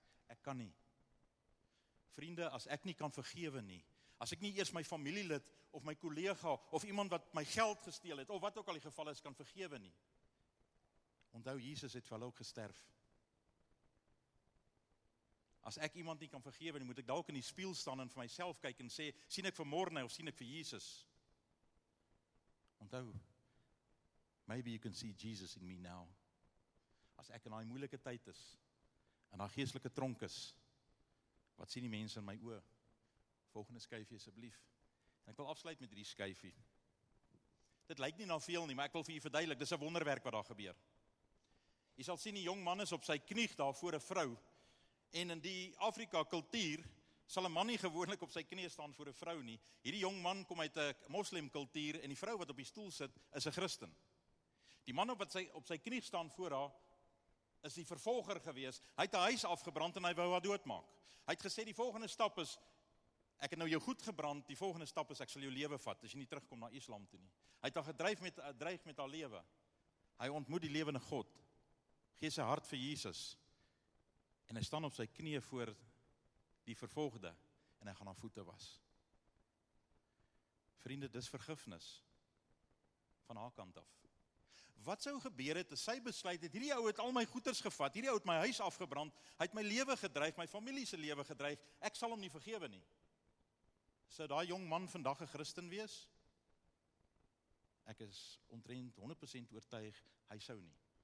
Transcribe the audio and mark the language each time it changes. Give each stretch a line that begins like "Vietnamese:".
Afrikaans: Ek kan nie. Vriende, as ek nie kan vergewe nie, as ek nie eers my familielid of my kollega of iemand wat my geld gesteel het of wat ook al die geval is, kan vergewe nie. Onthou, Jesus het vir hulle ook gesterf. As ek iemand nie kan vergewe nie, moet ek dalk in die spieël staan en vir myself kyk en sê, sien ek vir môre of sien ek vir Jesus? Onthou,
English: maybe you can see Jesus in me now.
Afrikaans: As ek in daai moeilike tyd is, in daai geestelike tronk is, wat sien die mense in my oë? Volgende skyfie asseblief. En ek wil afsluit met hierdie skyfie. Dit lyk nie na veel nie, maar ek wil vir u verduidelik, dis 'n wonderwerk wat daar gebeur. Jy sal sien die jong man is op sy knieg daar voor 'n vrou, en in die Afrika kultuur sal 'n man nie gewoonlik op sy knie staan voor 'n vrou nie. Hierdie jong man kom uit 'n moslim kultuur, en die vrou wat op die stoel sit, is 'n Christen. Die man wat op sy knie staan voor haar, is die vervolger gewees. Hy het 'n huis afgebrand en hy wou haar doodmaak. Hy het gesê die volgende stap is, ek het nou jou goed gebrand, die volgende stap is, ek sal jou lewe vat, as jy nie terugkom na Islam toe nie. Hy het haar gedreig met haar lewe. Hy ontmoet die lewende God, gee sy hart vir Jesus, en hy staan op sy knie voor die vervolgde, en hy gaan haar voete was. Vriende, dis vergifnis, van haar kant af. Wat sou gebeur het, as sy besluit het, hierdie ou het al my goeders gevat, hierdie ou het my huis afgebrand, hy het my lewe gedreig, my familie se lewe gedreig, ek sal hom nie vergewe nie. Sou daai jong man vandag 'n Christen wees? Ek is omtrent 100% oortuig, hy sou nie.